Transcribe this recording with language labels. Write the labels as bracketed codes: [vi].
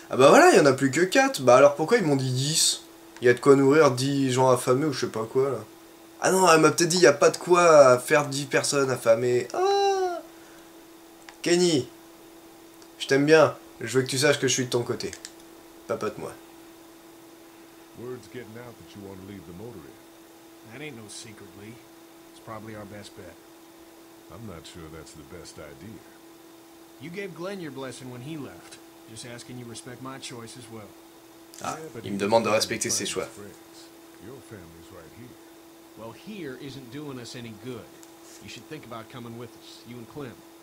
[fr] Ah bah voilà, il y en a plus que 4. Bah alors pourquoi ils m'ont dit 10? Il y a de quoi nourrir 10 gens affamés ou je sais pas quoi là. Ah non, elle m'a peut-être dit il y a pas de quoi faire 10 personnes affamées. Ah Kenny, je t'aime bien. Je veux que tu saches que je suis de ton côté. Papote-moi. [en] Word's getting out that you want to leave the motor in. That ain't no secret, Lee. It's probably our best bet. I'm not sure that's the best idea. You gave Glenn your blessing when he left. Just asking you respect my choice as well. [fr] Ah, il me demande de respecter ses choix. [en] Your family's right here. Well, here isn't doing us any good. You should think about coming with us, you and Clem.